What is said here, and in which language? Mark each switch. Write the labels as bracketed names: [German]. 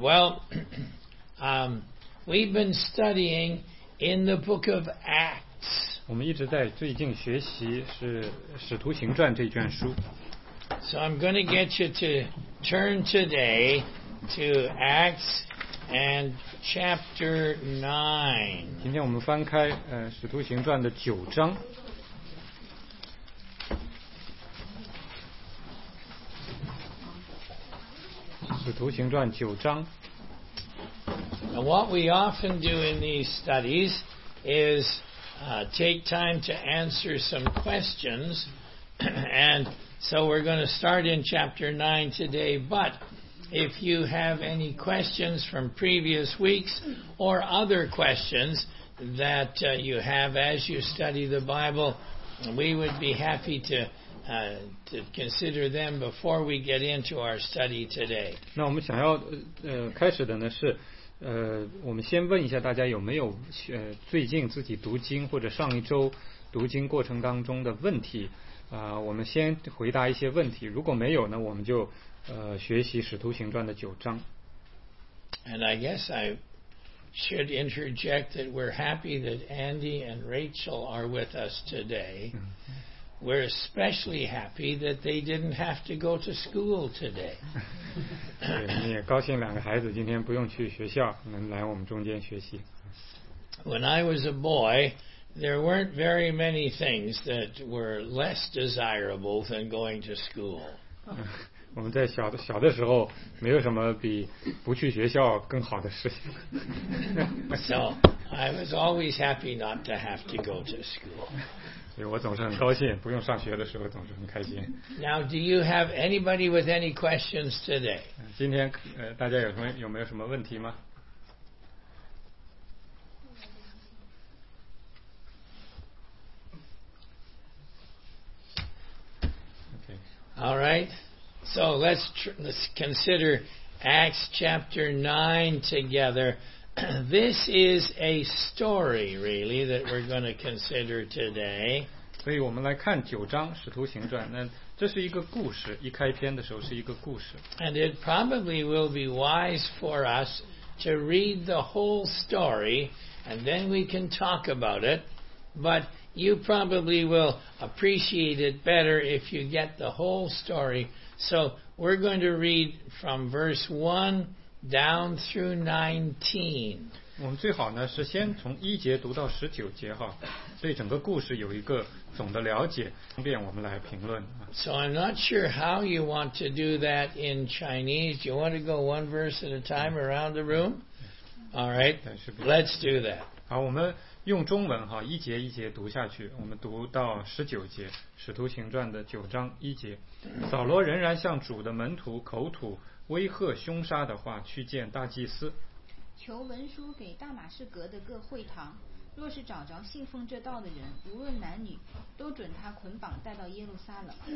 [English] Well, we've been studying in the book of Acts. [Chinese] 我们一直在最近学习是《使徒行传》这卷书。 [English] So I'm going to get you to turn today to Acts and chapter 9. [Chinese] 今天我们翻开《使徒行传》的九章。 《使徒行传》九章。 [English] Now, what we often do in these studies is take time to answer some questions, and so we're going to start in chapter 9 today. But if you have any questions from previous weeks or other questions that you have as you study the Bible, we would be happy to consider them before we get into our study today. [Chinese] 那我们想要开始的呢是我们先问一下大家有没有最近自己读经或者上一周读经过程当中的问题我们先回答一些问题，如果没有呢，我们就学习《使徒行传》的九章。 [English] And I guess I should interject that we're happy that Andy and Rachel are with us today. We're especially happy that they didn't have to go to school today. [Chinese] 对，也高兴两个孩子今天不用去学校，能来我们中间学习。 [English] When I was a boy, there weren't very many things that were less desirable than going to school. [Chinese] 我们在小的时候，没有什么比不去学校更好的事情。 [English] So, I was always happy not to have to go to school. [Chinese] 对，我总是很高兴，不用上学的时候总是很开心。 [English] Now, do you have anybody with any questions today? [Chinese] 今天大家有没有什么问题吗？ [English] Okay. All right. So let's consider Acts chapter 9 together. This is a story, really, that we're going to consider today. [Chinese] 所以我们来看九章《使徒行传》，那这是一个故事，一开篇的时候是一个故事。 [English] And it probably will be wise for us to read the whole story, and then we can talk about it. But you probably will appreciate it better if you get the whole story. So we're going to read from verse 1 down through 19. [Chinese] 我们最好呢是先从一节读到十九节哈，对整个故事有一个。总的了解，方便我们来评论。 [English] So I'm not sure how you want to do that in Chinese. Do you want to go one verse at a time around the room? All right, let's do that. [Chinese] 好，我们用中文哈，一节一节读下去。我们读到十九节，《使徒行传》的九章一节。扫罗仍然向主的门徒口吐威吓凶杀的话，去见大祭司，求文书给大马士革的各会堂。若是找着信奉这道的人，无论男女，都准他捆绑带到耶路撒冷。